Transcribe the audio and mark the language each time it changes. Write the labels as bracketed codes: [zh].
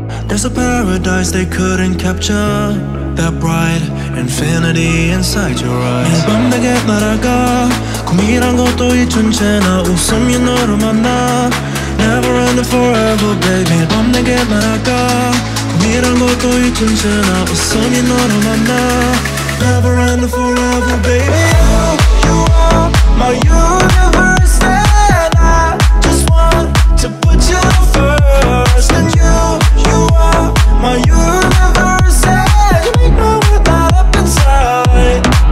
[en] they couldn't capture that bright infinity inside your eyes. [ko] 매일 밤 내게 날아가 꿈이란 것도 잊은 채 나 웃음이 너를 만나. [en] Never ending forever baby. [ko] 매일 밤 내게 날아가 꿈이란 것도 잊은 채 나 웃음이 너를 만나. [en] Never ending forever baby. You are my universe and I just want to put you first. And you are my universe, and you make my world light up inside.